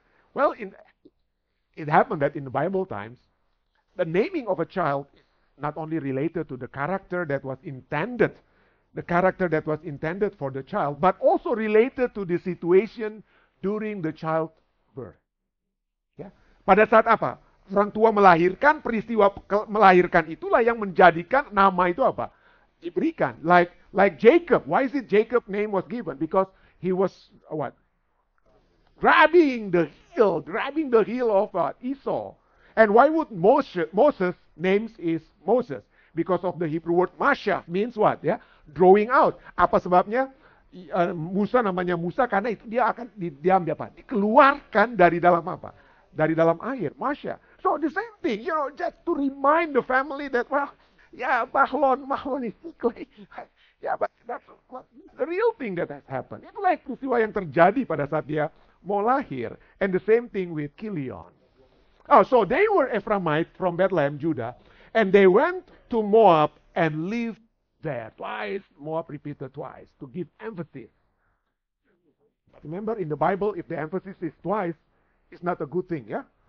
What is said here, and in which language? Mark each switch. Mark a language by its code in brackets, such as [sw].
[en] Well, it happened that in the Bible times, the naming of a child not only related to the character that was intended, the character that was intended for the child, but also related to the situation during the child birth. [id] Ya. Pada saat apa? Orang tua melahirkan, peristiwa melahirkan itulah yang menjadikan nama itu apa? Diberikan. [en] Like Jacob. Why is it Jacob's name was given? Because he was what? Grabbing the heel of Esau. And why would Moses names is Moses? Because of the Hebrew word Masha means what? [id] Ya? [en] Drawing out. [id] Apa sebabnya? Musa namanya Musa karena itu dia akan diambil apa? Dikeluarkan dari dalam apa? Dari dalam air. Masha. [en] So the same thing, you know, just to remind the family that, well, yeah, Mahlon is sickly. Yeah, but that's the real thing that has happened. Itu like peristiwa yang terjadi pada saat dia mau lahir. And the same thing with Kilion. Oh, so they were Ephraimite from Bethlehem, Judah, and they went to Moab and lived there twice, Moab repeated twice, to give emphasis. Remember, in the Bible, if the emphasis is twice, it's not a good thing, ya? Yeah?